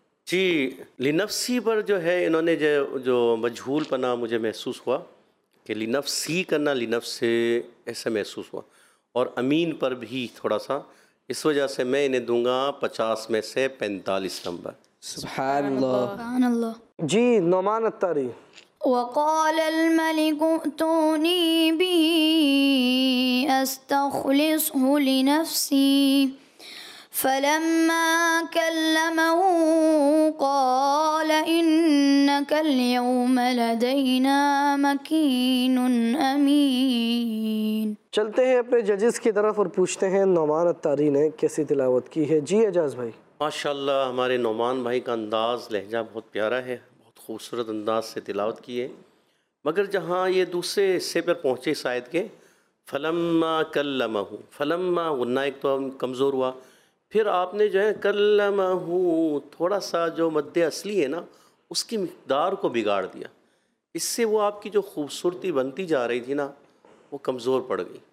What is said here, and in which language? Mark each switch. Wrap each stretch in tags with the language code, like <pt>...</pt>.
<ur>جی لنفسی پر جو ہے انہوں نے جو مجہول پناہ مجھے محسوس ہوا کہ لنفسی کرنا لنفس سے، ایسے محسوس ہوا. اور امین پر بھی تھوڑا سا، اس وجہ سے میں انہیں دوں گا 50 میں سے 45 نمبر. سبحان الله سبحان الله. جی نعمان اتاری.</ur> <ar>وقال الملك ائتوني به استخلصه لنفسي فلما كلمه قال إنك اليوم لدينا مكين أمين.</ar> <ur>چلتے ہیں اپنے ججز کی طرف اور پوچھتے ہیں نعمان اتاری نے کیسی تلاوت کی ہے. جی اعجاز بھائی. ماشاءاللہ ہمارے نعمان بھائی کا انداز لہجہ بہت پیارا ہے, بہت خوبصورت انداز سے تلاوت کی ہے, مگر جہاں یہ دوسرے حصے پر پہنچے شاید کے فلما کلمہ, فلما غنہ ایک تو کمزور ہوا, پھر آپ نے جو ہے کلمہ تھوڑا سا جو مد اصلی ہے نا اس کی مقدار کو بگاڑ دیا, اس سے وہ آپ کی جو خوبصورتی بنتی جا رہی تھی نا وہ کمزور پڑ گئی.</ur>